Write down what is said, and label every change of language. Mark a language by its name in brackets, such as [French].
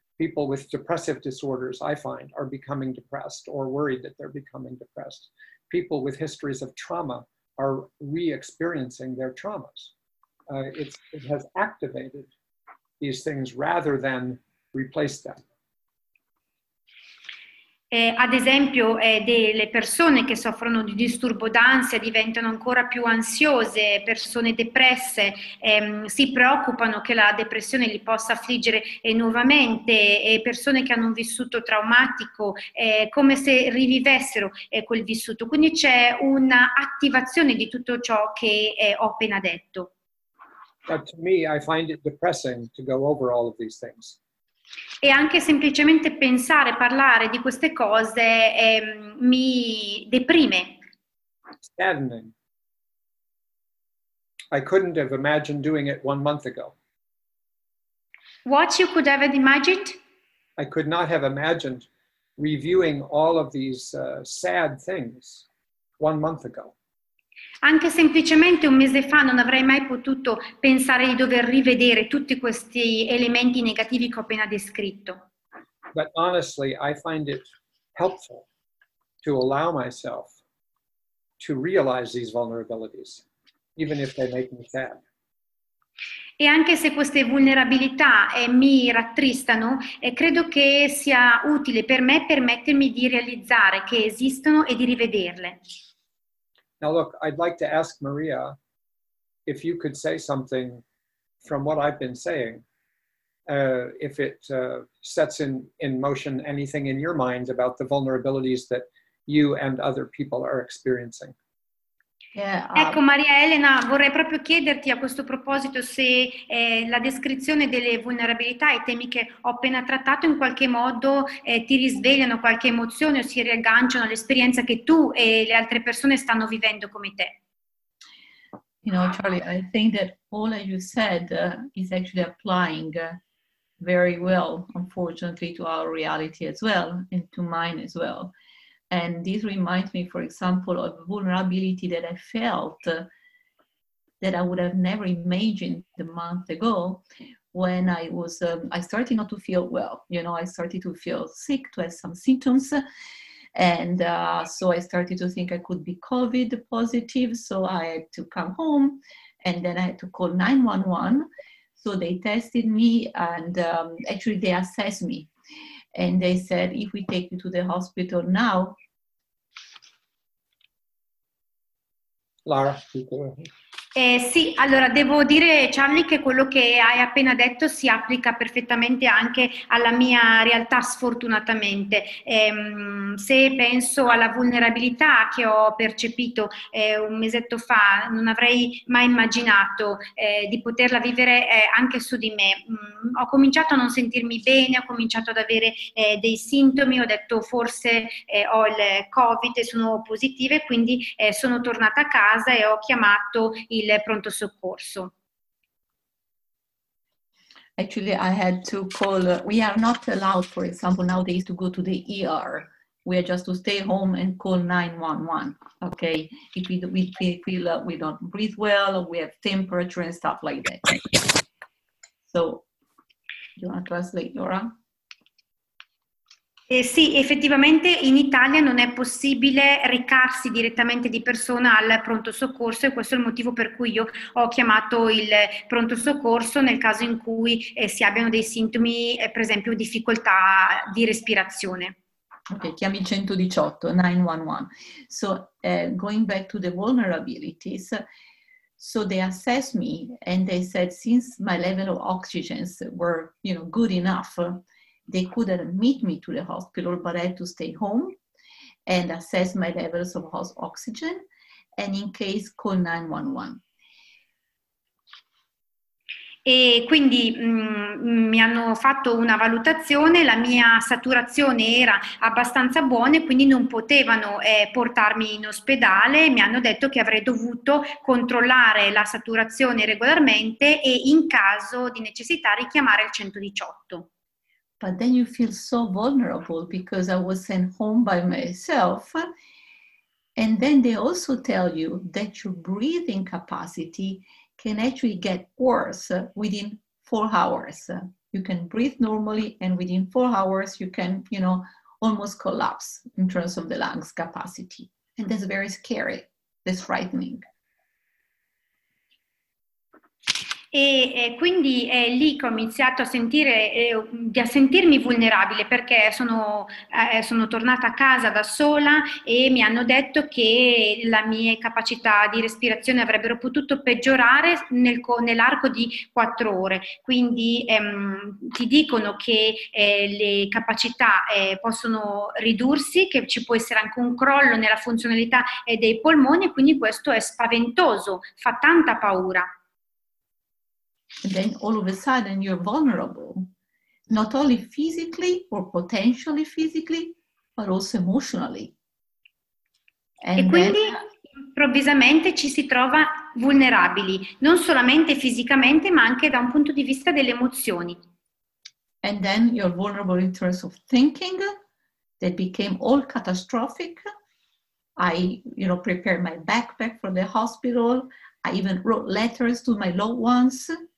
[English] People with depressive disorders, I find, are becoming depressed or worried that they're becoming depressed. People with histories of trauma are re-experiencing their traumas. It has activated these things rather than replaced them. [Italian] Ad esempio, delle persone che soffrono di disturbo d'ansia diventano ancora più ansiose, persone depresse si preoccupano che la depressione li possa affliggere nuovamente, persone che hanno un vissuto traumatico, come se rivivessero quel vissuto. Quindi c'è un'attivazione di tutto ciò che ho appena detto. [English] But to me, I find it depressing to go over all of these things. [Italian] E anche semplicemente pensare, parlare di queste cose mi deprime. [English] Saddening. I couldn't have imagined doing it 1 month ago. What you could have imagined? I could not have imagined reviewing all of these sad things 1 month ago. [Italian] Anche semplicemente un mese fa non avrei mai potuto pensare di dover rivedere tutti questi elementi negativi che ho appena descritto. [English] But honestly, I find it helpful to allow myself to realize these vulnerabilities, even if they make me sad. [Italian] E anche se queste vulnerabilità mi rattristano, credo che sia utile per me permettermi di realizzare che esistono e di rivederle. [English] Now look, I'd like to ask Maria if you could say something from what I've been saying, if it sets in motion anything in your mind about the vulnerabilities that you and other people are experiencing. [Italian] Ecco Maria Elena, vorrei proprio chiederti a questo proposito se la descrizione delle vulnerabilità e temi che ho appena trattato in qualche modo ti risvegliano qualche emozione o si riagganciano all'esperienza che tu e le altre persone stanno vivendo come te. [English] You know, Charlie, I think that all that you said is actually applying very well, unfortunately, to our reality as well and to mine as well. And this reminds me, for example, of a vulnerability that I felt that I would have never imagined a month ago when I was, I started not to feel well. You know, I started to feel sick, to have some symptoms. And so I started to think I could be COVID positive. So I had to come home and then I had to call 911. So they tested me and actually they assessed me. And they said, if we take you to the hospital now, Lara. [Italian] Sì, allora devo dire Charlie che quello che hai appena detto si applica perfettamente anche alla mia realtà sfortunatamente. Se penso alla vulnerabilità che ho percepito un mesetto fa, non avrei mai immaginato di poterla vivere anche su di me. Ho cominciato a non sentirmi bene, ho cominciato ad avere dei sintomi, ho detto forse ho il COVID e sono positiva, quindi sono tornata a casa e ho chiamato il pronto soccorso. [English] Actually, I had to call. We are not allowed, for example, nowadays to go to the ER. We are just to stay home and call 911. Okay, if we feel we don't breathe well, or we have temperature and stuff like that. So, you want to translate, Laura? [Italian] Sì, effettivamente in Italia non è possibile recarsi direttamente di persona al pronto soccorso e questo è il motivo per cui io ho chiamato il pronto soccorso nel caso in cui si abbiano dei sintomi, per esempio difficoltà di respirazione. Ok, chiami 118, 911. [English] So, going back to the vulnerabilities, so they assessed me and they said since my level of oxygen were, you know, good enough, they could admit me to the hospital, but I had to stay home and assess my levels of oxygen, and in case, call 911. [Italian] E quindi mi hanno fatto una valutazione, la mia saturazione era abbastanza buona e quindi non potevano portarmi in ospedale, mi hanno detto che avrei dovuto controllare la saturazione regolarmente e in caso di necessità richiamare il 118. [English] But then you feel so vulnerable because I was sent home by myself. And then they also tell you that your breathing capacity can actually get worse within 4 hours. You can breathe normally and within 4 hours you can, you know, almost collapse in terms of the lungs capacity. And that's very scary. That's frightening. [Italian] E quindi è lì che ho iniziato a sentire a sentirmi vulnerabile, perché sono tornata a casa da sola e mi hanno detto che la mia capacità di respirazione avrebbero potuto peggiorare nell'arco di 4 ore. Quindi ti dicono che le capacità possono ridursi, che ci può essere anche un crollo nella funzionalità dei polmoni, quindi questo è spaventoso, fa tanta paura. [English] And then all of a sudden you're vulnerable, not only physically or potentially physically, but also emotionally. [Italian] And quindi improvvisamente ci si trova vulnerabili, non solamente fisicamente, ma anche da un punto di vista delle emozioni. [English] And then you're vulnerable in terms of thinking that became all catastrophic. I prepared my backpack for the hospital. I even wrote letters to my loved ones.